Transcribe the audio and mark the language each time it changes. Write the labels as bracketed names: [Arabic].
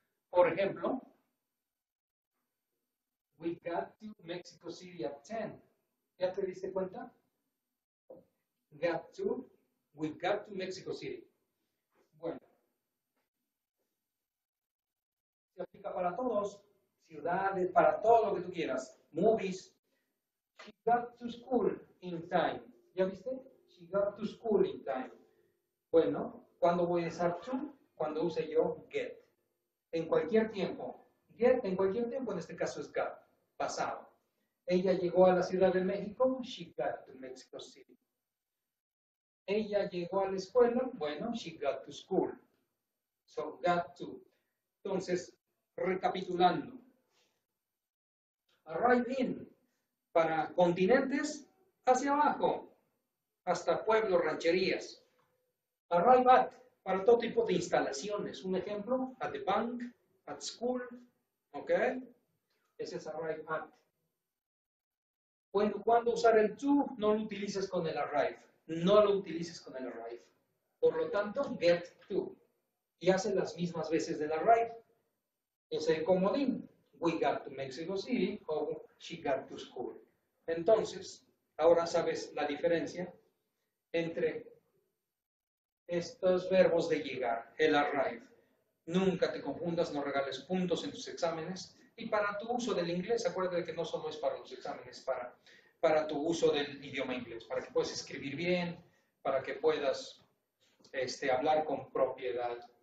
[Spanish] Por ejemplo, [English] we got to Mexico City at 10. [Spanish] ¿Ya te diste cuenta? [English] We got to Mexico City. [Spanish] Bueno, se aplica para todos, ciudades, para todo lo que tú quieras, movies. [English] She got to school in time. [Spanish] ¿Ya viste? [English] She got to school in time. [Spanish] Bueno, ¿cuándo voy a usar to? Cuando use yo get. En cualquier tiempo. Get, en cualquier tiempo, en este caso es got. Pasado. Ella llegó a la Ciudad de México. [English] She got to Mexico City. [Spanish] Ella llegó a la escuela. Bueno, [English] she got to school. So, got to. [Spanish] Entonces, recapitulando. Arrive in. Para continentes, hacia abajo, hasta pueblos, rancherías. Arrive at, para todo tipo de instalaciones. Un ejemplo, [English] at the bank, at school, [Spanish] ¿ok? Ese es arrive at. Bueno, ¿cuándo usar el to? No lo utilices con el arrive. No lo utilices con el arrive. Por lo tanto, get to. Y hace las mismas veces del arrive. Ese comodín, [English] we got to Mexico City, [Spanish] o [English] she got to school. [Spanish] Entonces, ahora sabes la diferencia entre estos verbos de llegar, el arrive. Nunca te confundas, no regales puntos en tus exámenes. Y para tu uso del inglés, acuérdate que no solo es para los exámenes, para tu uso del idioma inglés, para que puedas escribir bien, para que puedas hablar con propiedad.